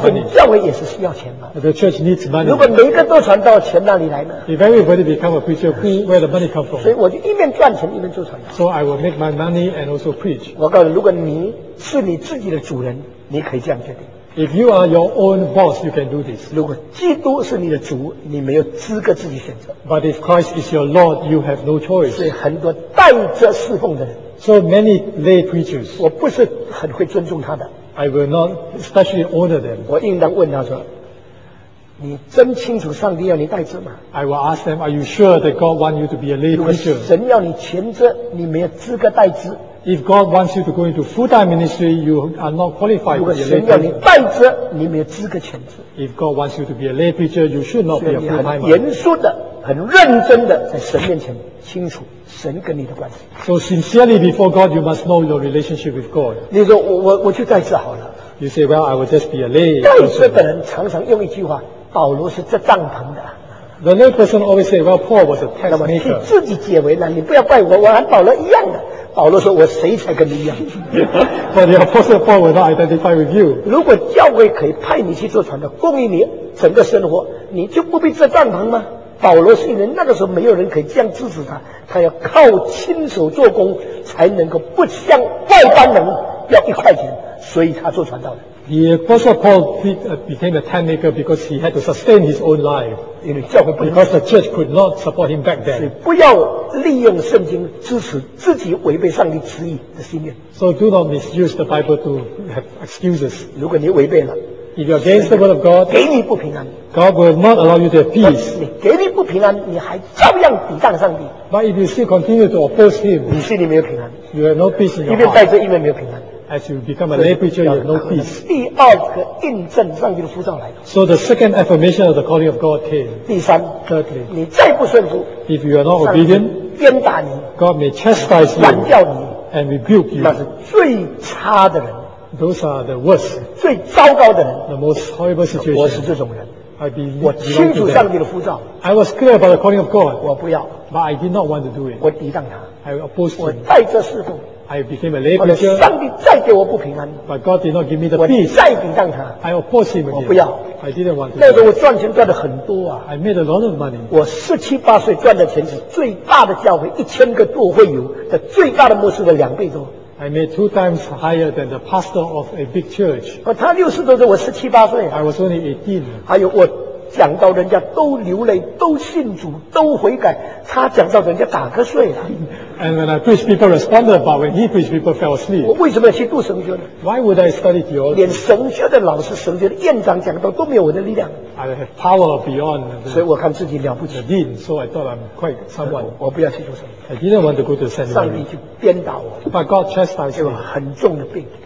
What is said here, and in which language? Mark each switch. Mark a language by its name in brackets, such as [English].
[Chinese] 反正教会也是需要钱嘛。 [English] The church needs money. [Chinese] 如果每一个做传道，钱哪里来呢？ [English] If everybody become a preacher, where the money come from? [Chinese] 所以我就一边赚钱一边做传道。 [English] So I will make my money and also preach. [Chinese] 我告诉你，如果你是你自己的主人，你可以这样决定。 [English] If you are your own boss, you can do this. [Chinese] 如果基督是你的主，你没有资格自己选择。 [English] But if Christ is your Lord, you have no choice. [Chinese] 所以很多带着侍奉的人。 [English] So many lay preachers. [Chinese] 我不是很会尊重他的。 [English] I will not especially honor them. [Chinese] 我应当问他说，你真清楚上帝要你带职吗？ [English] I will ask them, are you sure that God wants you to be a lay preacher? [Chinese] 如果神要你全职，你没有资格带职。 [English] If God wants you to go into full-time ministry, you are not qualified to be a lay preacher. [Chinese] 如果神要你带职，你没有资格全职。 [English] If God wants you to be a lay preacher, you should not be a full-time ministry. [Chinese] 所以你很严肃的、很认真的在神面前清楚神跟你的关系。 [English] So sincerely before God, you must know your relationship with God. [Chinese] 你说我去带职好了。 [English] You say, well, I will just be a lay. [Chinese] 带职的人常常用一句话：保罗是遮帐篷的。 [English] The lay person always say, well, Paul was a tent maker. [Chinese] 那么你自己解围了，你不要怪我，我和保罗一样的。保罗说：“我谁才跟你一样？” 那你要不是保罗，那 [English] identify with you。 [Chinese] 如果教会可以派你去做传道，供应你整个生活，你就不必遮帐篷吗？保罗是一人，那个时候没有人可以这样支持他，他要靠亲手做工才能够不像外邦人要一块钱，所以他做传道的。 [English] The Apostle Paul became a tent maker because he had to sustain his own life. Because the church could not support him back then. [Chinese] 不要利用圣经支持自己违背上帝旨意的信念。 [English] So do not misuse the Bible to have excuses. [Chinese] 如果你违背了， [English] if you're against the word of God, [Chinese] 给你不平安， [English] God will not allow you to have peace. [Chinese] 你给你不平安，你还照样抵挡上帝。 [English] But if you still continue to oppose him, [Chinese] 你心里没有平安。 [English] You have no peace in your [Chinese] heart. 一边带着一边没有平安。 [English] As you become a lay preacher, you have no peace. [Chinese] 第二个印证上帝的呼召来了。 [English] So the second affirmation of the calling of God came. [Chinese] 第三， [English] thirdly, [Chinese] 你再不顺服， [English] if you are not obedient, [Chinese] 鞭打你， [English] God may chastise you, [Chinese] 管教你， [English] and rebuke you. [Chinese] 那是最差的人， [English] those are the worst, [Chinese] 最糟糕的人， [English] the most horrible situation. [Chinese] 我是这种人。 [English] I be, [Chinese] 我清楚上帝的呼召。 [English] I was clear about the calling of God. [Chinese] 我不要， [English] but I did not want to do it. [Chinese] 我抵挡他， [English] I oppose him. [Chinese] 我带着侍奉。 [English] I became a lay preacher. [Chinese] 上帝再给我不平安。 [English] But God did not give me the peace. [Chinese] 我再抵挡他。 [English] I oppose him again. [Chinese] 我不要。 [English] I didn't want to. [Chinese] 那时候我赚钱赚的很多啊。 [English] I made a lot of money. [Chinese] 我十七八岁赚的钱是最大的教会一千个多会友的最大的牧师的两倍多。 [English] I made two times higher than the pastor of a big church. [Chinese] 他六十多岁，我十七八岁。 [English] I was only 18. [Chinese] 还有我。讲到人家都流泪，都信主，都悔改，他讲到人家打瞌睡了。 [English] And when I preach, people responded, but when he preached, people fell asleep. [Chinese] 我为什么要去读神学呢？ [English] Why would I study theology? [Chinese] 连神学的老师、神学的院长讲到都没有我的力量。 [English] I have power beyond. [Chinese] 所以我看自己了不起。 [English] Dean, so I thought I'm quite someone. [Chinese] 我不要去读神学。 [English] I didn't want to go to seminary. [Chinese] 上帝就鞭打我。 [English] But God chastised me. [Chinese] 很重的病。